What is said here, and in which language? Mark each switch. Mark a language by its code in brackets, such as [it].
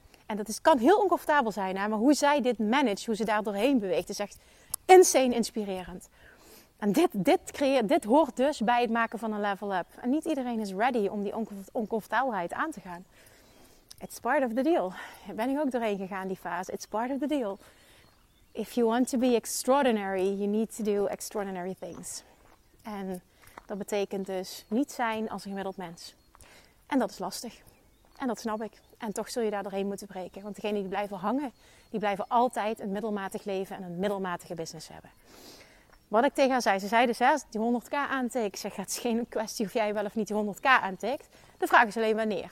[nl] En dat kan heel oncomfortabel zijn, hè? Maar hoe zij dit manage, hoe ze daar doorheen beweegt, is echt insane inspirerend. En dit hoort dus bij het maken van een level up. En niet iedereen is ready om die oncomfortabelheid aan te gaan. [en] It's part of the deal. [nl] Ben ik ook doorheen gegaan, die fase. [en] It's part of the deal. If you want to be extraordinary, you need to do extraordinary things. [nl] En dat betekent dus niet zijn als een gemiddeld mens. En dat is lastig. En dat snap ik. En toch zul je daar doorheen moeten breken. Want degenen die blijven hangen, die blijven altijd een middelmatig leven en een middelmatige business hebben. Wat ik tegen haar zei, ze zei dus, hè, die 100k aantik. Ik zeg, het is geen kwestie of jij wel of niet die 100k aantikt. De vraag is alleen wanneer.